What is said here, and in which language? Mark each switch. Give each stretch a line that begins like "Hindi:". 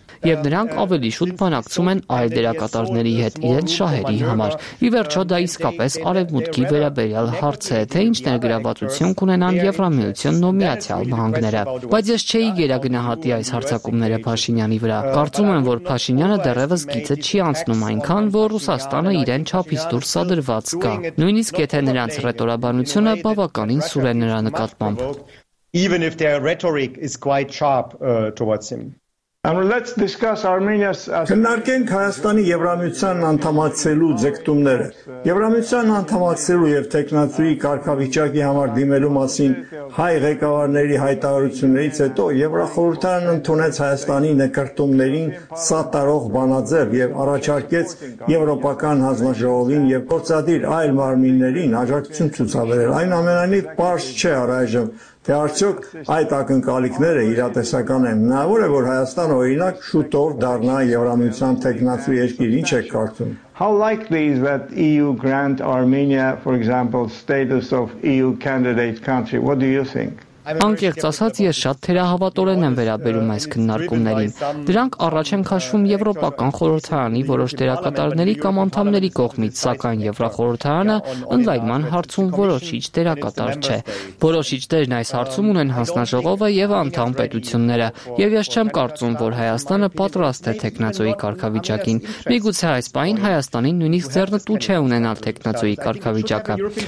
Armenian: Եվ նրանք ավելի շուտ բանակցում են այլ դերակատարների հետ իրենց շահերի համար։ Ի վերջո դա իսկապես Արևմուտքի վերաբերյալ հարց է, թե ինչ ներգրավվածություն կունենան Եվրամիության նոմինացիալ նահանգները։ Բայց ես չէի գերագնահատի այս հարցակումները Փաշինյանի վրա։ Կարծում եմ, որ Փաշինյանը դեռևս գիծը չի անցնում այնքան, որ Ռուսաստանը իրեն չափից դուրս սադրված կա, նույնիսկ եթե նրանց ռետորաբանությունը բավականին սուր է նրա նկատմամբ։
English: Even if their rhetoric is quite sharp towards him. Let's discuss Armenia's.
Armenian: Քննարկենք Հայաստանի Եվրամիության անդամացելու ձգտումները։ Եվրամիության անդամացելու եւ տեխնատրի կարգավիճակի համար դիմելու մասին հայ ղեկավարների հայտարարություններից հետո Եվրախորհրդարանն ընդունեց Հայաստանի նկարտումներին սատարող բանաձև եւ առաջարկեց Եվրոպական հանձնաժողովին եւ գործադիր այլ մարմիններին աջակցություն ցուցաբերել։ Այն ամենայնիվ պարզ չէ առայժմ, թե արդյոք այդ ակնկալիքները իրատեսական են։ Հնարավոր է, որ Հայաստանը օրինակ շուտով դառնա Եվրամիության թեկնածու երկիր, ինչ եք կարծում։
English: How likely is that EU grant Armenia, for example, status of EU candidate country? What do you think?
Armenian: Անկեղծ ասած, ես շատ թերահավատորեն եմ վերաբերում այս քննարկումներին։ Դրանք առաջ են քաշվում Եվրոպական խորհրդարանի որոշ դերակատարների կամ անդամների կողմից, սակայն Եվրախորհրդարանը ընդլայնման հարցում որոշիչ դերակատար չէ։ Որոշիչ դերն այս հարցում ունեն հանձնաժողովը եւ անդամ պետությունները, եւ ես չեմ կարծում, որ Հայաստանը պատրաստ է տեխնացոյի կարգավիճակին։ Միգուցե այս պահին Հայաստանին նույնիսկ ձեռնտու չէ ունենալ տեխնացոյի կարգավիճակը։